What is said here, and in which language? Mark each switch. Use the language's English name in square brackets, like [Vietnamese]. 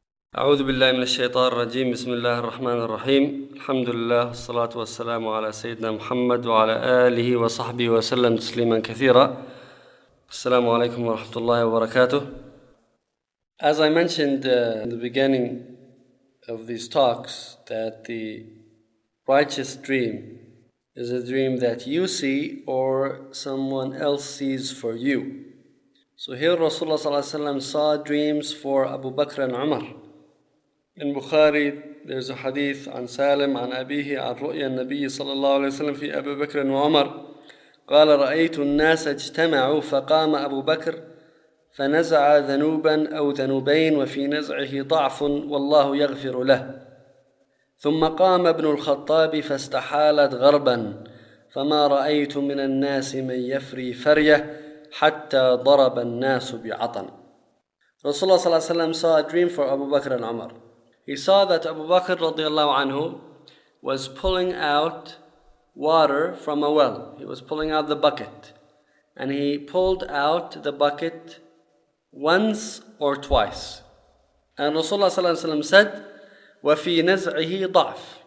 [Arabic] أعوذ بالله من الشيطان الرجيم. بسم الله الرحمن الرحيم. الحمد لله والصلاة والسلام على سيدنا محمد وعلى آله وصحبه وسلم تسليما كثيرا. السلام عليكم ورحمة الله وبركاته. [English] As I mentioned in the beginning of these talks, that the righteous dream is a dream that you see or someone else sees for you. So here Rasulullah صلى الله عليه وسلم saw dreams for Abu Bakr and Umar. In Bukhari, there's a hadith [Arabic] عن سالم عن أبيه عن رؤيا النبي صلى الله عليه وسلم في أبي بكر وعمر قال رأيت الناس اجتمعوا فقام أبو بكر فنزع ذنوبا أو ذنوبين وفي نزعه ضعف والله يغفر له ثم قام ابن الخطاب فاستحالت غربا فما رأيت من الناس من يفري فرية حتى ضرب الناس بعطن. رسول الله صلى الله عليه وسلم [English] saw a dream for [Arabic] أبو بكر وعمر. [English] He saw that Abu Bakr radiallahu anhu was pulling out water from a well. He was pulling out the bucket. And he pulled out the bucket once or twice. And Rasulullah sallallahu alayhi wa sallam said, [Arabic] وَفِي نَزْعِهِ ضَعْفِ.